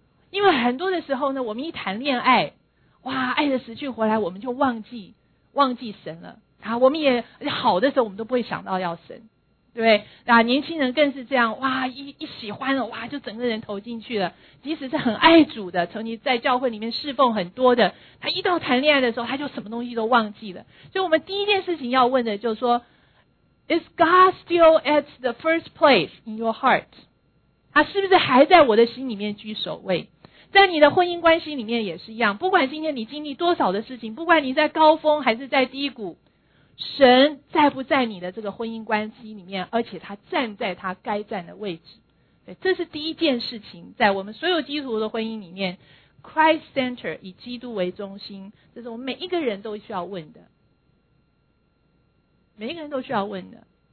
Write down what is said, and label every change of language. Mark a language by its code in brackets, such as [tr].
[zh] 因为很多的时候呢我们一谈恋爱哇爱的死去活来，我们就忘记神了我们也好的时候我们都不会想到要神，对不对？年轻人更是这样，哇一喜欢了哇就整个人投进去了，即使是很爱主的，曾经在教会里面侍奉很多的，他一到谈恋爱的时候他就什么东西都忘记了。所以我们第一件事情要问的就是说 [en] Is God still at the first place in your heart? [zh] 他是不是还在我的心里面居首位？在你的婚姻关系里面也是一样，不管今天你经历多少的事情，不管你在高峰还是在低谷，神在不在你的这个婚姻关系里面，而且他站在他该站的位置。对，这是第一件事情，在我们所有基督徒的婚姻里面， Christ Center 以基督为中心，这是我们每一个人都需要问的，每一个人都需要问的。